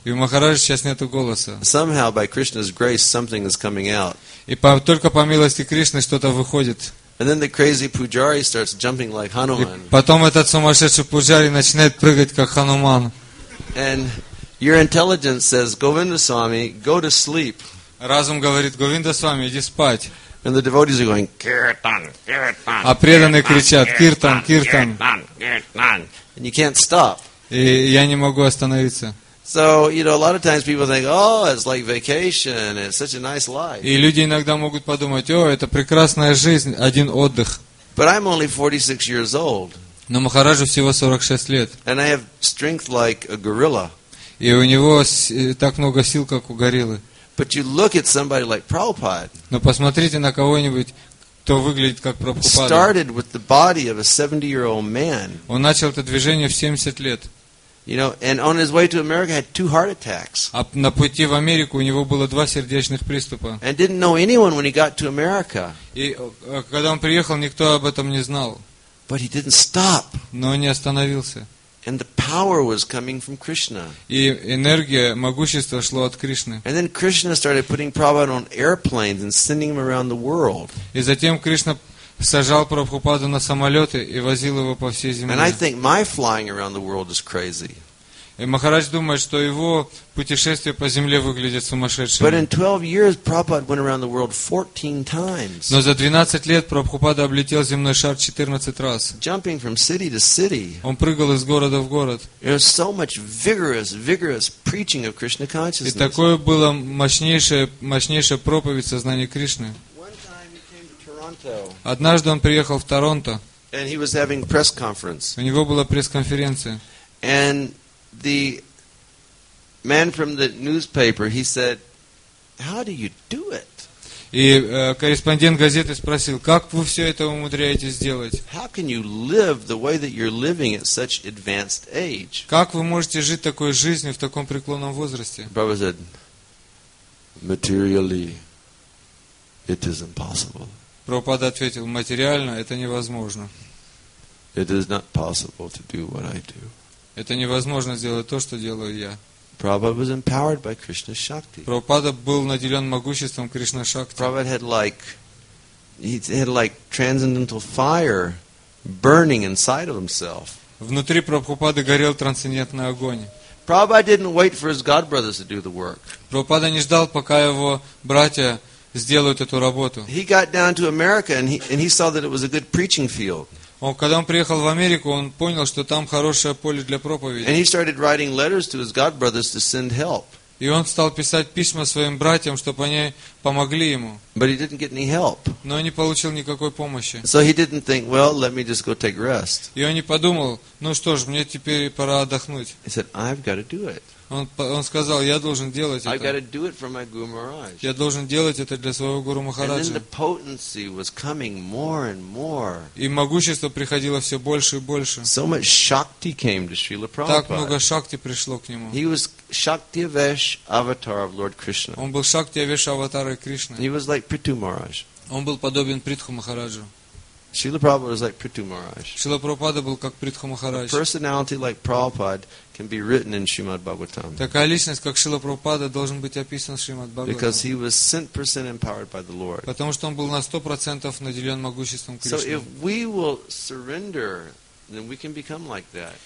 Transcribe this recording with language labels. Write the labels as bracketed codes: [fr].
[ru] И у Махараджи сейчас нету голоса. [en] Somehow by Krishna's grace something is coming out. [ru] И только по милости Кришны что-то выходит. [en] And then the crazy pujari starts jumping like Hanuman. [ru] И потом этот сумасшедший пуджари начинает прыгать как Хануман. [en] And your intelligence says, Govinda Swami, go to sleep. [ru] Разум говорит, Говинда Свами, иди спать. [en] And the devotees are going, Kirtan, Kirtan. [ru] А преданные кричат, Kirtan, Kirtan. [en] And you can't stop. [ru] И я не могу остановиться. [en] So, you know, a lot of times people think, oh, it's like vacation, it's such a nice life. [ru] И люди иногда могут подумать, о, это прекрасная жизнь, один отдых. [en] But I'm only 46 years old. [ru] Но Махараджу всего 46 лет. [en] And I have strength like a gorilla. [ru] И у него так много сил, как у гориллы. [en] But you look at somebody like Prabhupada. [ru] Но посмотрите на кого-нибудь, кто выглядит как Прабхупада. [en] Started with the body of a 70-year-old man. [ru] Он начал это движение в 70 лет. [en] You know, and on his way to America had 2 heart attacks. [ru] А на пути в Америку у него было 2 сердечных приступа. [en] And didn't know anyone when he got to America. [ru] И когда он приехал, никто об этом не знал. [en] But he didn't stop. [ru] Но он не остановился. [en] And the power was coming from Krishna. [ru] И энергия, могущество шло от Кришны. [en] And then Krishna started putting Prabhupada on airplanes and sending him around the world. [ru] И затем Кришна сажал Прабхупаду на самолеты и возил его по всей земле. [en] And I think my flying around the world is crazy. [ru] И Махарадж думает, что его путешествие по земле выглядит сумасшедшим. [en] But in 12 years, Prabhupada went around the world 14 times. [ru] Но за 12 лет Прабхупада облетел земной шар 14 раз. [en] Jumping from city to city. [ru] Он прыгал из города в город. [en] There was so much vigorous preaching of Krishna consciousness. [ru] И такое было мощнейшая проповедь сознания Кришны. [en] One time he came to Toronto. [ru] Однажды он приехал в Торонто. [en] And he was having press conference. [ru] У него была пресс-конференция. [en] And the man from the newspaper, he said, "How do you do it?" [ru] И корреспондент газеты спросил, как вы все это умудряетесь сделать? [en] How can you live the way that you're living at such advanced age? [ru] Как вы можете жить такой жизнью в таком преклонном возрасте? [en] Prabhupada said, "Materially, it is impossible." [ru] Прабхупада ответил, материально это невозможно. [en] It is not possible to do what I do. [ru] Это невозможно сделать то, что делаю я. [en] Prabhupada was empowered by Krishna Shakti. [ru] Prabhupada был наделен могуществом Кришна Шакти. [en] Prabhupada had like transcendental fire burning inside of himself. [ru] Внутри Прабхупады горел трансцендентный огонь. [en] Prabhupada didn't wait for his god brothers to do the work. [ru] Прабхупада не ждал, пока его братья сделают эту работу. [en] He got down to America and he saw that it was a good preaching field. [ru] Когда он приехал в Америку, он понял, что там хорошее поле для проповеди. [en] And he started writing letters to his god brothers to send help. [ru] И он стал писать письма своим братьям, чтобы они помогли ему. [en] But he didn't get any help. [ru] Но он не получил никакой помощи. [en] So he didn't think, well, let me just go take rest. [ru] И он не подумал, ну что ж, мне теперь пора отдохнуть. [en] He said, I've got to do it. [ru] Он сказал, я должен делать это. [en] I've got to do it for my Guru Maharaj. [ru] Я должен делать это для своего Гуру Махараджа. [en] And then the potency was coming more and more. [ru] И могущество приходило все больше и больше. [en] So much Shakti came to Srila Prabhupada. [ru] Так много Шакти пришло к нему. [en] He was Shakti Avesh avatar of Lord Krishna. [ru] Он был Шакти Авеш аватарой Кришны. [en] He was like Prithu Maharaj. [ru] Он был подобен Притху Махараджу. [en] Srila Prabhupada was like Prithu Maharaj. [ru] Srila Prabhupada был как Притху Махарадж. [en] A personality like Prabhupada can be written in Srimad Bhagavatam. [ru] Такая личность, как Шрила Прабхупада, должен быть описан в Шримад Бхагаватам. [en] Because he was 100% empowered by the Lord. [ru] Потому что он был на 100% наделен могуществом Кришны. [en] So if we will surrender, then we can become like that.